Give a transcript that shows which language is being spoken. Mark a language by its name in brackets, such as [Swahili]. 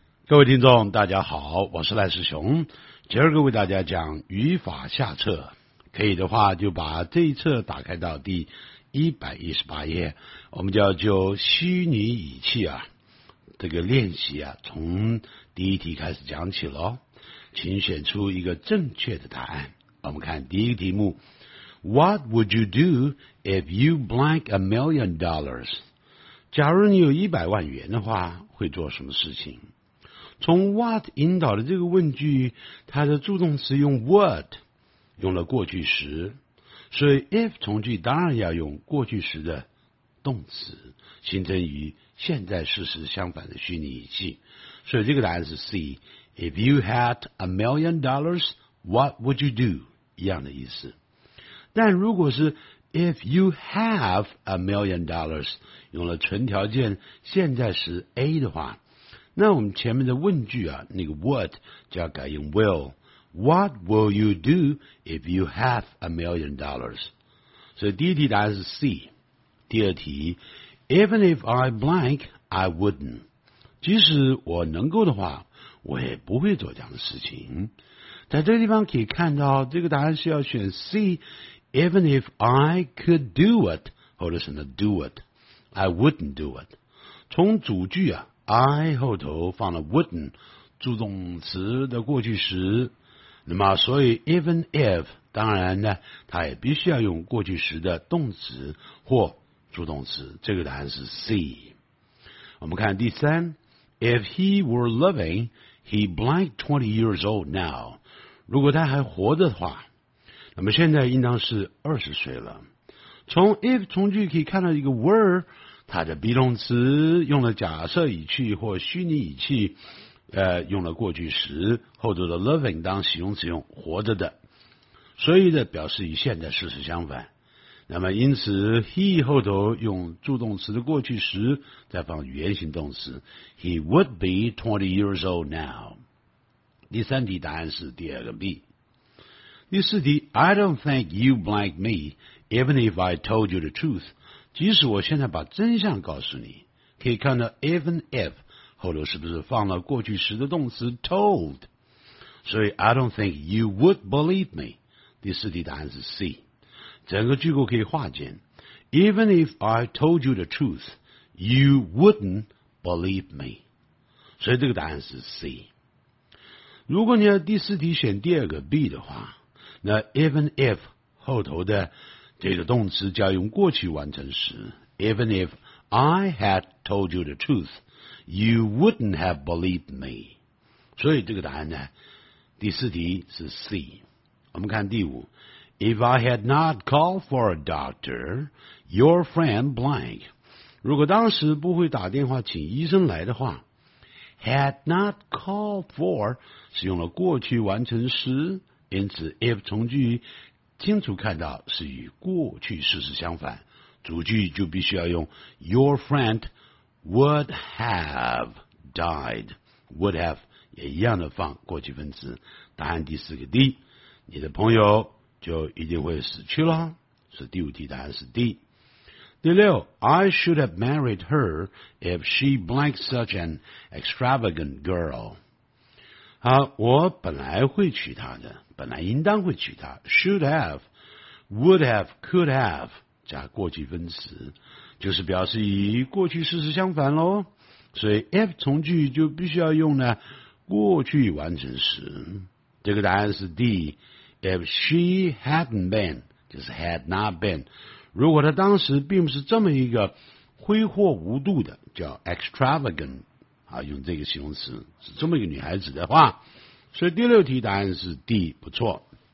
[Chinese] 各位听众大家好，我是赖世雄，今儿个为大家讲语法下册，可以的话就把这一册打开到第118页，我们叫就虚拟语气啊这个练习啊从第一题开始讲起咯。请选出一个正确的答案。我们看第一个题目， [English] What would you do if you blank $1,000,000？ [Chinese] 假如你有100万元的话，会做什么事情？从 what 引导的这个问句，它的助动词用 would， 用了过去时，所以 if 从句当然要用过去时的动词，形成与现在事实相反的虚拟语气。所以这个答案是 C。 [English] If you had $1,000,000, what would you do？ [Chinese] 一样的意思。但如果是 [English] If you have $1,000,000, [Chinese] 用了纯条件现在时 A 的话，那我们前面的问句啊，那个 what 就要改用 will。 [English] What will you do if you have $1,000,000？ [Chinese] 所以第一题答案是 C。第二题， [English] Even if I blank, I wouldn't， [Chinese] 即使我能够的话，我也不会做这样的事情。在这个地方可以看到，这个答案是要选 [English] CEven if I could do it， [Chinese] 或者是 do it， [English] I wouldn't do it。 [Chinese] 从主句啊 I 后头放了 wouldn't， 助动词的过去时，那么所以 even if 当然呢它也必须要用过去时的动词或助动词，这个答案是 C。我们看第三， [English] If he were living he blank 20 years old now， [Chinese] 如果他还活着的话，那么现在应当是20岁了。从 if 从句可以看到一个 were， 它的 be 动词用了假设语气或虚拟语气，用了过去时，后头的 living 当形容词用活着的，所以的表示与现在事实相反。那么因此 he 后头用助动词的过去时，再放原形动词 [English] he would be 20 years old now。 [Chinese] 第三题答案是第二个 B。 [English] 第四题， I don't think you blank me even if I told you the truth， [Chinese] 即使我现在把真相告诉你。可以看到 even if 后头是不是放了过去时的动词 told， 所以 [English] I don't think you would believe me。 [Chinese] 第四题答案是 C。整个句构可以化简， [English] Even if I told you the truth you wouldn't believe me， [Chinese] 所以这个答案是 [English] C。 [Chinese] 如果你要第四题选第二个 B 的话，那 [English] even if 后头的这个动词就要用过去完成时， even if I had told you the truth you wouldn't have believed me， [Chinese] 所以这个答案呢第四题是 C。我们看第五， If I had not called for a doctor your friend blank， 如果当时不会打电话请医生来的话， had not called for 是用了过去完成时，因此 if 从句清楚看到是与过去事实相反，主句就必须要用 [English] your friend would have died， [Chinese] would have 也一样的放过去分词。答案第四个 D， 你的朋友就一定会死去了，是第五题答案是 D。第六， [English] I should have married her if she blank such an extravagant girl， [Chinese] 好，我本来会娶她的，本来应当会娶她， [English] should have would have could have [Chinese] 加过去分词，就是表示与过去事实相反咯。所以 if 从句就必须要用呢过去完成时，这个答案是 D。 [English] If she hadn't been [Chinese] 就是 had not been， 如果她当时并不是这么一个挥霍无度的，叫 extravagant 啊，用这个形容词是这么一个女孩子的话，所以第六题答案是 D， 不错。